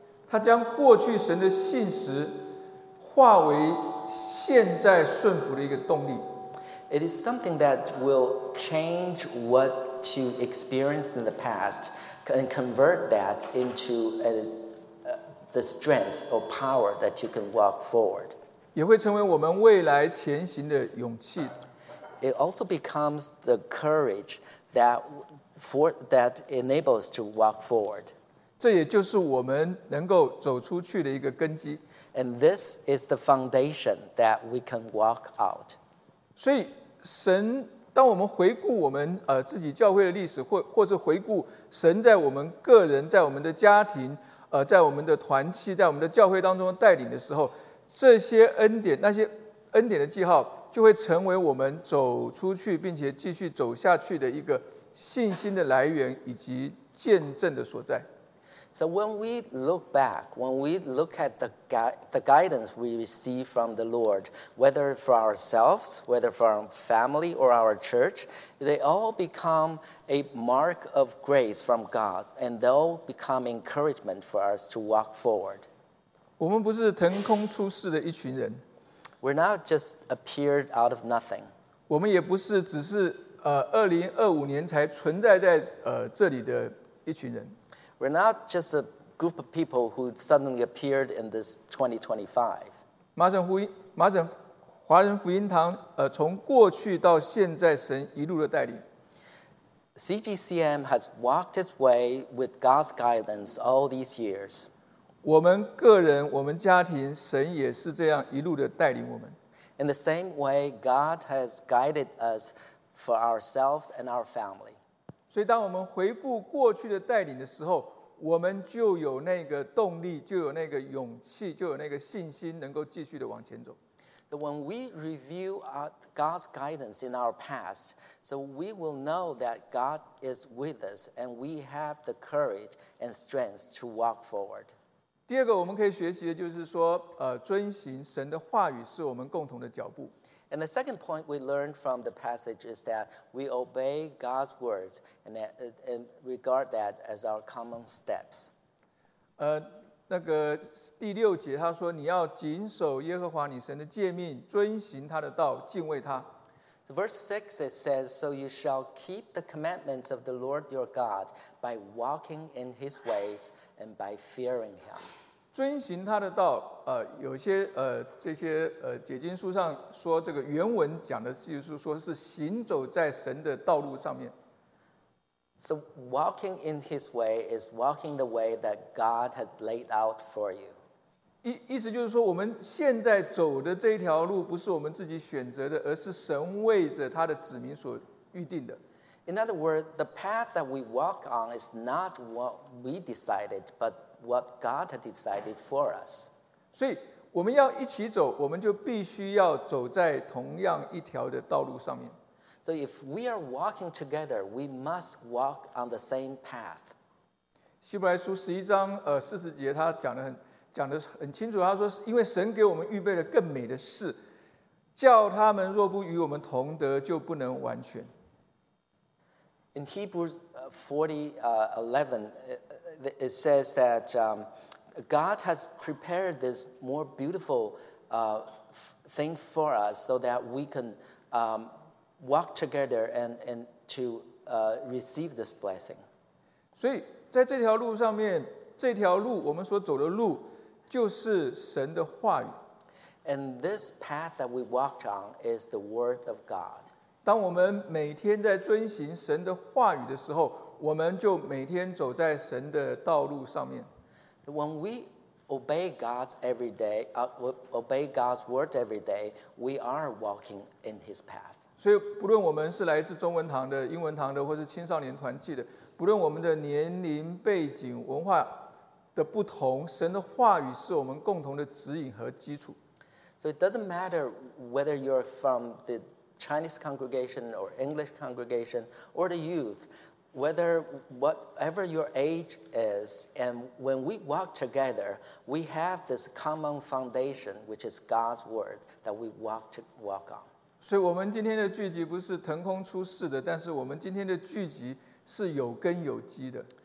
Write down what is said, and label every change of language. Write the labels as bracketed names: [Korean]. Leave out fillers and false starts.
[Chinese] 他将过去神的信实化为现在顺服的一个动力。 [English] It is something that will change what you experienced in the past and convert that into the strength or power that you can walk forward. [Chinese] 也会成为我们未来前行的勇气。 [English] It also becomes the courage that enables to walk forward. [Chinese] 这也就是我们能够走出去的一个根基。 [English] And this is the foundation that we can walk out. [Chinese] 所以神，当我们回顾我们自己教会的历史，或是回顾神在我们个人，在我们的家庭，在我们的团契，在我们的教会当中带领的时候，这些恩典，那些恩典的记号，就会成为我们走出去并且继续走下去的一个信心的来源以及见证的所在。 [English] So when we look back, when we look at the guidance we receive from the Lord, whether for ourselves, whether from family or our church, they all become a mark of grace from God, and they'll become encouragement for us to walk forward. [Chinese] 我们不是腾空出世的一群人。 [English] We're not just appeared out of nothing. [Chinese] 我们也不是只是2025年才存在在这里的一群人。 [English] We're not just a group of people who suddenly appeared in this 2025. [Chinese] 麻省华人福音堂从过去到现在神一路的带领。 [English] CGCM has walked its way with God's guidance all these years. [Chinese] 我们个人，我们家庭，神也是这样一路的带领我们。 [English] In the same way, God has guided us for ourselves and our family. [Chinese] 所以当我们回顾过去的带领的时候，我们就有那个动力，就有那个勇气，就有那个信心，能够继续的往前走。 [English] So when we review God's guidance in our past, so we will know that God is with us and we have the courage and strength to walk forward. [Chinese] 第二个我们可以学习的就是说遵行神的话语是我们共同的脚步。 [English] And the second point we learned from the passage is that we obey God's words and regard that as our common steps. [Chinese] 那个第六节他说你要谨守耶和华你神的诫命，遵行他的道，敬畏他。 [English] So verse 6 it says, So you shall keep the commandments of the Lord your God by walking in his ways and by fearing him. [Chinese] 遵行他的道，有些这些解经书上说这个原文讲的就是说是行走在神的道路上面。 [English] So walking in his way is walking the way that God has laid out for you. [Chinese] 意思就是说我们现在走的这一条路不是我们自己选择的，而是神为着他的子民所预定的。 [English] In other words, the path that we walk on is not what we decided, but what God had decided for us. [Chinese] 所以我们要一起走，我们就必须要走在同样一条的道路上面。 [English] So if we are walking together, we must walk on the same path. [Chinese] 希伯来书十一章四十节他讲的很讲得很清楚，他说因为神给我们预备了更美的事，叫他们若不与我们同德，就不能完全。 [English] In Hebrews 40:11 it says that God has prepared this more beautiful thing for us so that we can walk together and to receive this blessing. [Chinese] 所以在这条路上面，这条路我们所走的路就是神的话语。 [English] And this path that we walk on is the word of God. [Chinese] 当我们每天在遵行神的话语的时候，我们就每天走在神的道路上面。 [English] When we obey God's every day, obey God's word every day, we are walking in His path. [Chinese] 所以不论我们是来自中文堂的、英文堂的，或是青少年团契的，不论我们的年龄、背景、文化的不同，神的话语是我们共同的指引和基础。 [English] So it doesn't matter whether you're from the Chinese congregation or English congregation or the youth. Whether whatever your age is, and when we walk together, we have this common foundation, which is God's word that we walk to walk on. [Chinese] 所以我们今天的聚集不是腾空出世的，但是我们今天的聚集是有根有基的。